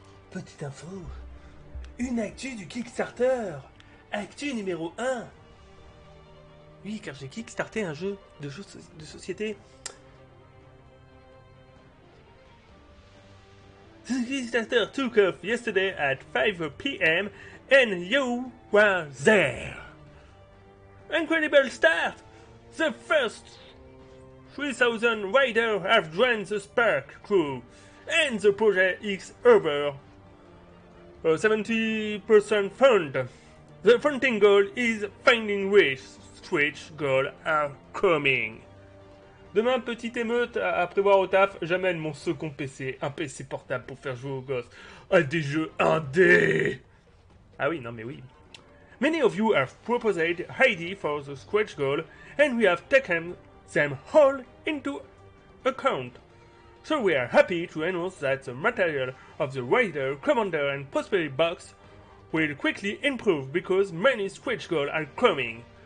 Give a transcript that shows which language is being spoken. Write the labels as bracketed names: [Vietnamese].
[French] Petite info. Une actu du Kickstarter. Actu numéro 1. Oui, car j'ai kickstarté un jeu de société. [English] The Kickstarter took off yesterday at 5 p.m. and you were there. Incredible start. The first 3,000 riders have joined the Spark crew and the project is over 70% fund. The funding goal is finding which stretch goals are coming. [French] Demain, petite émeute à prévoir au taf, j'amène mon second PC, un PC portable pour faire jouer aux gosses à des jeux indés. Ah oui, non mais oui. [English] Many of you have proposed ideas for the stretch goal and we have taken them all into account. So we are happy to announce that the material of the Raider, Commander and Prosperity box will quickly improve because many stretch goals are coming.